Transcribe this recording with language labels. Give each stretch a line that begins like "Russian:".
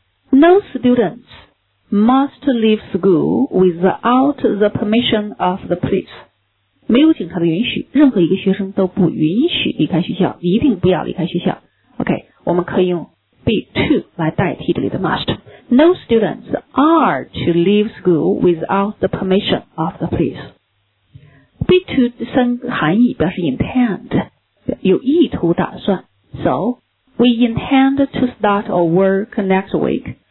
English: No students must leave school without the permission of the police.
Chinese: 没有警察的允许，任何一个学生都不允许离开学校，一定不要离开学校。 OK, 我们可以用 be to 来代替这里的 must.
English: No students are to leave school without the permission of the police.
Chinese: Be to 的三个含义表示 intend, 有意图打算。
English: So, we intend to start our work next week.